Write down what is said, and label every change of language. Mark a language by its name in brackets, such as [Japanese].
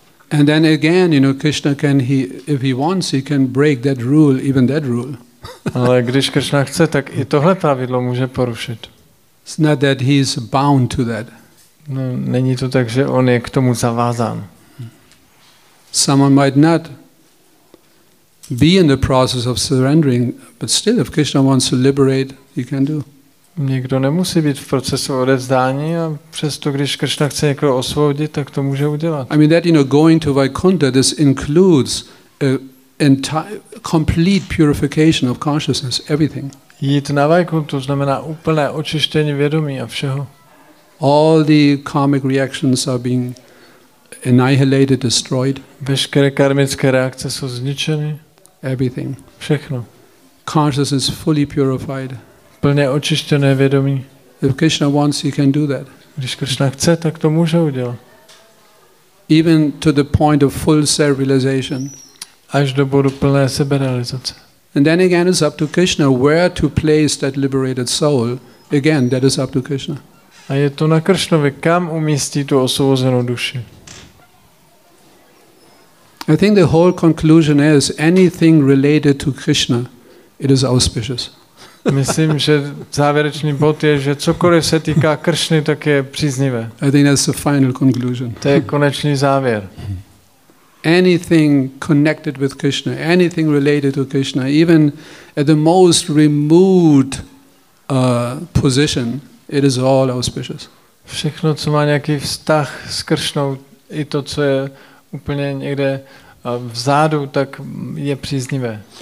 [English] And then again, you know, Krishna can he if he wants, he can break that rule, even that rule. [Czech] Ale když Kršna chce, tak i tohle pravidlo může porušit. [English] It's not that he is bound to that. [Czech] No, není to tak, že on je k tomu zavázán. [English] Someone might not be in the process of surrendering, but still, if Krishna wants to liberate, he can do. [Czech] Někdo nemusí být v procesu odevzdání, a přesto, když Krishna chce někoho osvobodit, tak to může udělat. [English] I mean that, you know, going to Vaikuntha, this includes an entire, complete purification of consciousness, everything. [Czech] Jít na Vaikuntha znamená úplné očištění vědomí a všeho. [English] All the karmic reactions are being annihilated, destroyed. [Czech] Veškeré karmické reakce jsou zničeny. [English] Everything. [Czech] Všechno. [English] Consciousness fully purified. [Czech] Plně očištěné vědomí. [English] If Krishna wants, he can do that. [Czech] Když Krishna chce, tak to může udělat. [English] Even to the point of full self-realization. [Czech] Až do bodu plné seberealizace. [English] And then again, it's up to Krishna where to place that liberated soul. Again, that is up to Krishna. [Czech] A je to na Krishnovi, kam umístí tu osvobozenou duši. [English] I think the whole conclusion is anything related to Krishna, it is auspicious. [Czech] Myslím, že závěrečný bod je, že cokoliv se týká Kršny, tak je příznivé. [English] I think that's the final conclusion. [Czech] To je konečný závěr. [English] Anything connected with Krishna, anything related to Krishna, even at the most remote position, it is all auspicious. [Czech] Všechno, co má nějaký vztah s Kršnou, i to, co je úplně někde vzadu, tak je příznivé.